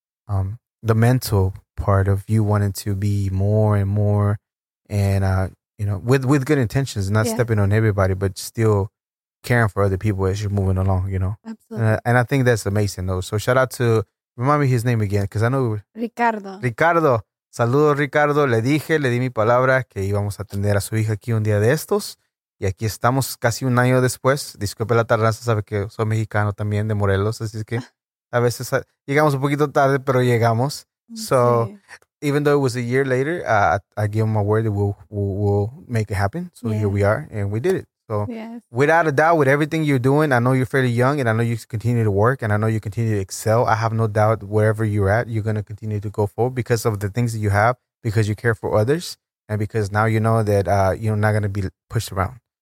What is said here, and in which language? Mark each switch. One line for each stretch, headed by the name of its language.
English: The mental part of you wanting to be more and more and, you know, with good intentions, not stepping on everybody, but still caring for other people as you're moving along, you know. Absolutely. And I think that's amazing, though. So shout out to, remind me his name again, because I know Ricardo.
Spanish: Saludos, Ricardo. Le di mi palabra que íbamos a atender a su hija aquí un día de estos, y aquí estamos casi un año después. Disculpe la tardanza, sabe que soy mexicano también de Morelos, así es que a veces llegamos un poquito tarde, pero llegamos. So sí.
English: Even though it was a year later, I gave him a word that we'll make it happen. So here we are, and we did it. So without a doubt, with everything you're doing, I know you're fairly young and I know you continue to work and I know you continue to excel. I have no doubt wherever you're at, you're going to continue to go forward because of the things that you have, because you care for others, and because now you know that you're not going to be pushed around.